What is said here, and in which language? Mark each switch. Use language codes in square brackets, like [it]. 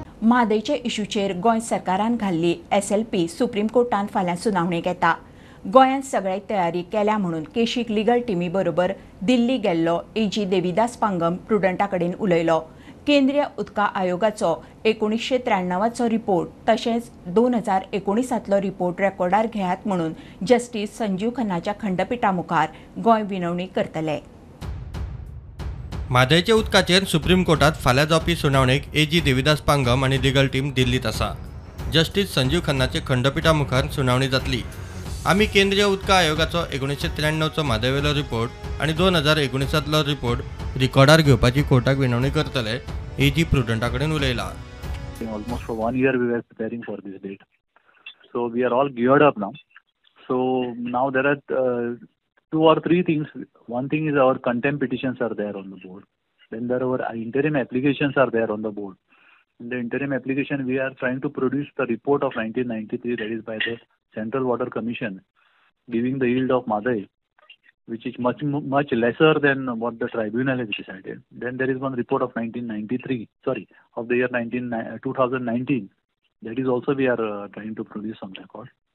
[gom] म्हादयचे इशूचेर गोंय सरकारान घाल्ली SLP supreme कोर्टान फाल्यां सुनावणी घेता. गोंयान सगळ्यांनी तयारी केल्या म्हणून केशीक लिगल टिमी बरोबर दिल्ली गेल्लो AG देविदास पांगम प्रुडंटा कडेन उलयलो. केंद्रीय उदका आयोगाचो 1993 रिपोर्ट तशेंच 2019 रिपोर्ट रेकॉर्डार घेयात म्हणून जस्टीस संजीव खन्नाच्या खंडपिठा मुखार गोंय विनवणी करतले. म्हादयचे उदकाचेर सुप्रीम कोर्टात फाल्यां जावपी सुनावणेक AG देविदास पांगम आनी लिगल टीम दिल्लीत आसा. जस्टीस संजीव खन्नाचे खंडपिठा मुखार सुनावणी जातली. आम्ही केंद्रीय उदक आयोगाचो 1993 म्हादयवेलो रिपोर्ट आणि 2019 रिपोर्ट रिकॉर्डार घेवपाची कोर्टाक विनवणी करतले. एजी प्रुडंटा कडेन उलयला. [en] Almost for one year we were preparing for this date, so we are all geared up now. So now there are two or three things. One thing is our contempt petitions are there on the board, then there our interim applications are there on the board. In the interim application, we are trying to produce the report of 1993, that is by the Central Water Commission, giving the yield of Madai, which is much, much lesser than what the tribunal has decided. Then there is one report of 2019, that is also we are trying to produce some record.